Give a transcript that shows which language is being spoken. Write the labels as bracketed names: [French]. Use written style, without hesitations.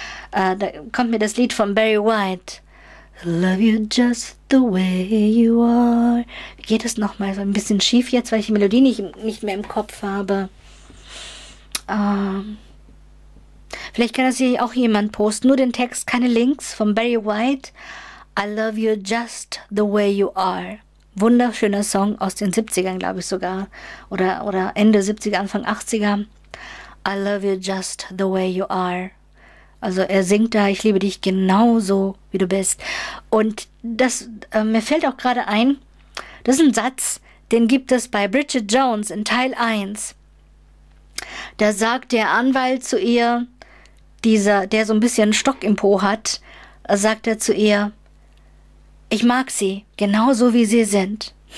[German] Da kommt mir das Lied von Barry White. [English] Love you just the way you are. [German] Wie geht es nochmal? So ein bisschen schief jetzt, weil ich die Melodie nicht mehr im Kopf habe. Vielleicht kann das hier auch jemand posten. Nur den Text, keine Links von Barry White. [English] I love you just the way you are. [German] Wunderschöner Song aus den 70ern, glaube ich sogar. Oder Ende 70er, Anfang 80er. [English] I love you just the way you are. [German] Also er singt da, ich liebe dich genauso, wie du bist. Und das mir fällt auch gerade ein, das ist ein Satz, den gibt es bei Bridget Jones in Teil 1. Da sagt der Anwalt zu ihr, der so ein bisschen Stock im Po hat, sagt er zu ihr, ich mag sie genauso, wie sie sind.